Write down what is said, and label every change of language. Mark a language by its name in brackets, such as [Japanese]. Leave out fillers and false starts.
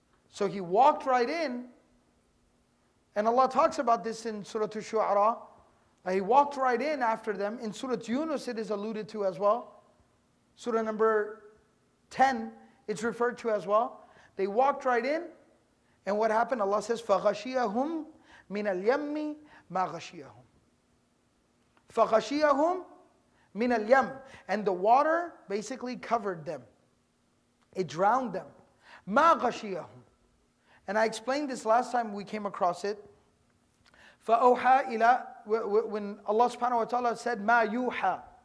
[English] So he walked right in, and Allah talks about this in Surah Al-Shu'ara. He walked right in after them. In Surah Yunus it is alluded to as well. Surah number 10, it's referred to as well. They walked right in, and what happened? Allah says, [Arabic] فَغَشِيَهُمْ مِنَ الْيَمِّ مَا غَشِيَهُمْ. فَغَشِيَهُمْ مِنَ الْيَمْ. [English] And the water basically covered them. It drowned them. [Arabic] مَا غَشِيَهُمْ. [English] And I explained this last time we came across it. [Arabic] فَأَوْحَى إِلَىٰ. [English] When Allah subhanahu wa ta'ala said, [Arabic] مَا يُوحَى.